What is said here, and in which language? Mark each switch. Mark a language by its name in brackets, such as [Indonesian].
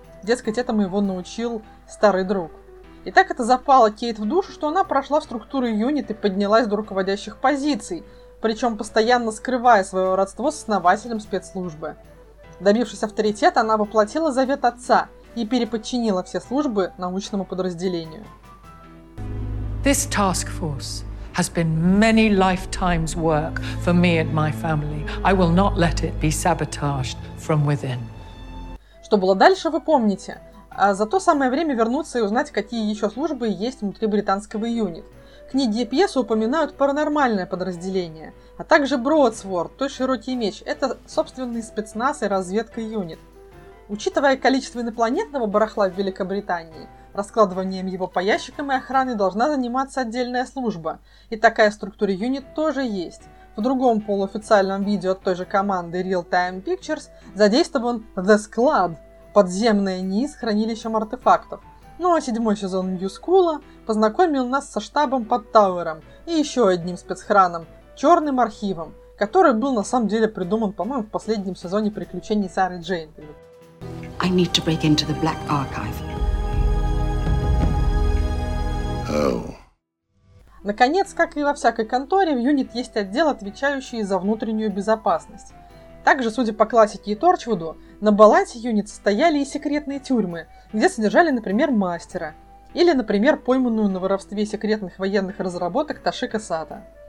[Russian] Дескать, этому его научил старый друг. И так это запало Кейт в душу, что она прошла в структуру Юнит и поднялась до руководящих позиций, причем постоянно скрывая свое родство с основателем спецслужбы. Добившись авторитета, она воплотила завет отца и переподчинила все службы научному подразделению. [English] This task force has been many lifetimes work for me and my family. I will not let it be sabotaged from within. [Russian] Что было дальше, вы помните. А за то самое время вернуться и узнать, какие еще службы есть внутри британского Юнит. Книги и пьесы упоминают паранормальное подразделение, а также Broadsword, то есть широкий меч. Это собственный спецназ и разведка Юнит. Учитывая количество инопланетного барахла в Великобритании, раскладыванием его по ящикам и охраной должна заниматься отдельная служба. И такая структура Юнит тоже есть. В другом полуофициальном видео от той же команды Real Time Pictures задействован The Склад, подземное НИИ с хранилищем артефактов. Ну а седьмой сезон New School познакомил нас со штабом под Тауэром и еще одним спецхраном, Черным Архивом, который был на самом деле придуман, по-моему, в последнем сезоне приключений Сары Джейн. [English] I need to break into the Black Archive. Oh. [Russian] Наконец, как и во всякой конторе, в Юнит есть отдел, отвечающий за внутреннюю безопасность. Также, судя по классике и Торчвуду, на балансе Юнит стояли и секретные тюрьмы, где содержали, например, мастера. Или, например, пойманную на воровстве секретных военных разработок Тошика Сато.